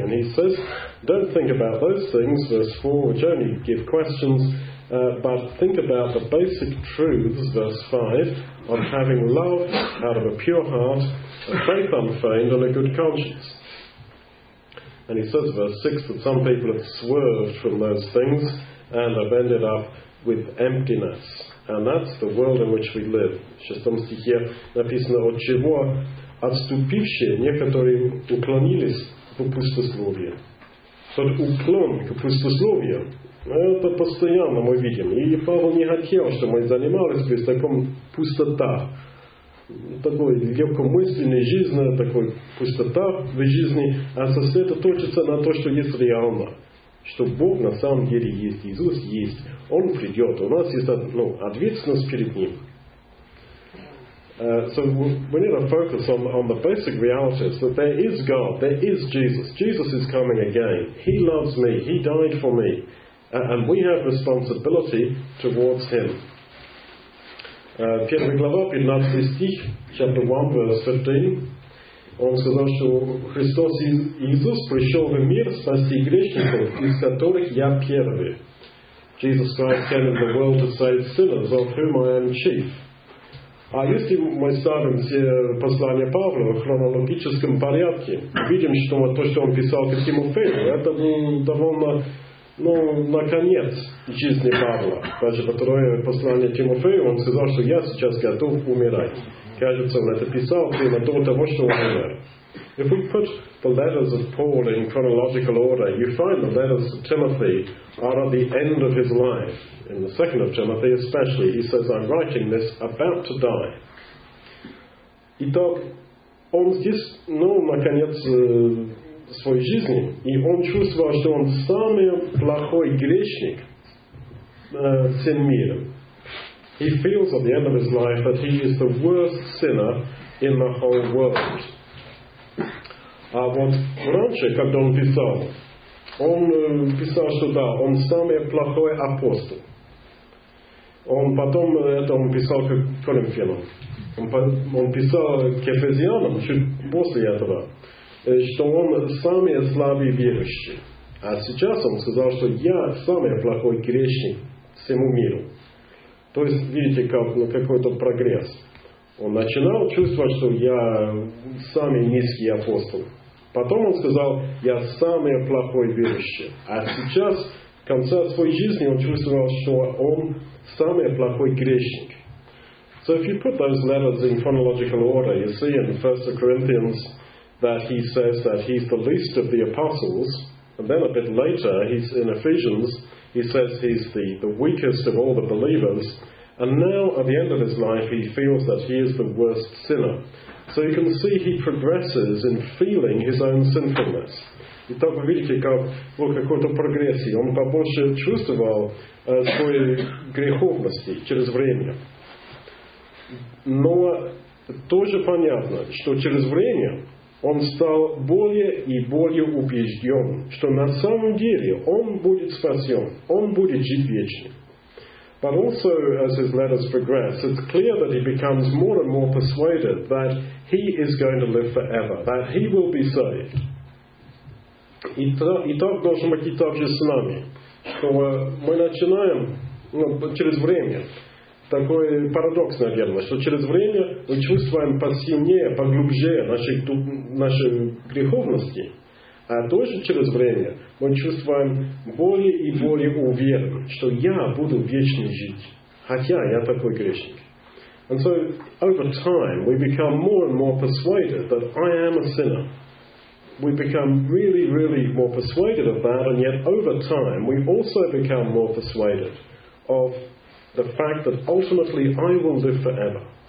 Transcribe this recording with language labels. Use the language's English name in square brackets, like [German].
[English] And he says, don't think about those things, verse 4, which only give questions, but think about the basic truths, verse 5, of having love out of a pure heart, a faith unfeigned, and a good conscience. And he says, verse 6, that some people have swerved from those things and have ended up with emptiness. And that's the world in which we live. [Russian] В шестом стихе написано, от чего отступившие некоторые уклонились к пустословию. Тот уклон к пустословию, это постоянно мы видим. И Павел не хотел, чтобы мы занимались бы в таком пустота. Такой легкомысленной жизни, такой пустота в жизни, а сосредоточиться на то, что есть реально. Что Бог на самом деле есть, Иисус есть. Он придет, у нас есть ответственность перед Ним. [English] So we need to focus on the basic realities that there is God, there is Jesus. Jesus is coming again. He loves me, He died for me. And we have responsibility towards Him. [Russian] 1 глава, 15 стих, [English] chapter 1, verse 15. [Russian] Он сказал, что Христос Иисус пришел в мир спасти грешников, из которых я первый. [English] Jesus Christ came into the world to save sinners, of whom I am chief. [Russian] А если мы ставим послание Павла в хронологическом порядке, видим, что то, что он писал к Тимофею, это довольно, наконец жизни Павла. Даже второе послание Тимофею, он сказал, что я сейчас готов умирать. Кажется, он это писал прямо до того, что он умер. [English] If we put the letters of Paul in chronological order, you find the letters of Timothy are at the end of his life. In the second of Timothy especially, he says, I'm writing this about to die. [Russian] Итак, он здесь, наконец, своей жизни, и он чувствовал, что он самый плохой грешник всем миром. [English] He feels at the end of his life that he is the worst sinner in the whole world. [Russian] А вот раньше, когда он писал, он писал, что да, он самый плохой апостол. Он потом это он писал к Коринфянам. Он писал к Ефезянам чуть после этого, что он самый слабый верующий. А сейчас он сказал, что я самый плохой грешник всему миру. То есть, видите, как, ну, какой-то прогресс. Он начинал чувствовать, что я самый низкий апостол. Потом он сказал, я самый плохой верующий. А сейчас, в конце своей жизни, он чувствовал, что он самый плохой грешник. [English] So if you put those letters in chronological order, you see in 1 Corinthians that he says that he's the least of the apostles. And then a bit later, he's in Ephesians, he says he's the weakest of all the believers. And now, at the end of his life, he feels that he is the worst sinner. So you can see he progresses in feeling his own sinfulness. [Russian] Итак, вы видите, как был какой-то прогрессии. Он побольше чувствовал свою греховность через время. Но тоже понятно, что через время он стал более и более убежден, что на самом деле он будет спасен, он будет жить вечно. [English] But also, as his letters progress, it's clear that he becomes more and more persuaded that he is going to live forever, that he will be saved. [Russian] И так должно быть и так же с нами, что мы начинаем, ну, через время, такой парадокс, наверное, что через время мы чувствуем посильнее, поглубже нашей греховности, а тоже через время мы чувствуем более и более уверен, что я буду вечно жить, хотя я такой грешник. [English] And so, over time, we become more and more persuaded that I am a sinner. We become really, really more persuaded of that, and yet over time we also become more persuaded of the fact that ultimately I will live forever.